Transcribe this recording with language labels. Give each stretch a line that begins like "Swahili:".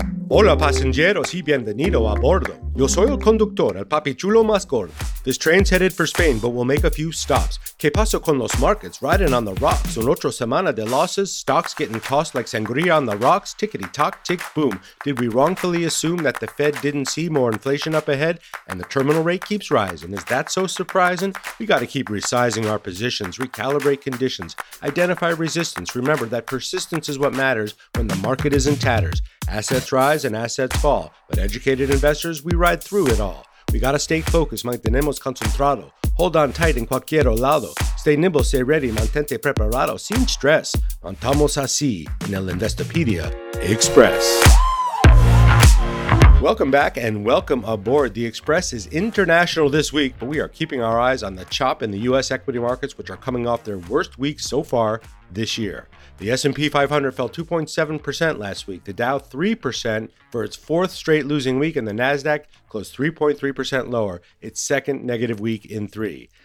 Spanish: Hola, pasajeros, y bienvenido a bordo. Yo soy el conductor, el papi chulo más gordo.
English: This train's headed for Spain, but we'll make a few stops.
Spanish: ¿Qué pasó con los
English: markets riding on the rocks?
Spanish: Un otro semana de
English: losses, stocks getting tossed like sangria on the rocks. Tickety-tock, tick-boom. Did we wrongfully assume that the Fed didn't see more inflation up ahead? And the terminal rate keeps rising. Is that so surprising? We gotta keep resizing our positions, recalibrate conditions, identify resistance. Remember that persistence is what matters when the market is in tatters. Assets rise and assets fall, but educated investors, we ride through it all. We gotta stay focused,
Spanish: mantenemos concentrado.
English: Hold on tight
Spanish: en cualquier lado.
English: Stay nimble, stay ready,
Spanish: mantente preparado. Sin stress, montamos así en el Investopedia Express.
English: Welcome back and welcome aboard. The Express is international this week, but we are keeping our eyes on the chop in the U.S. equity markets, which are coming off their worst week so far this year. The S&P 500 fell 2.7% last week, the Dow 3% for its fourth straight losing week, and the NASDAQ closed 3.3% lower, its second negative week in three.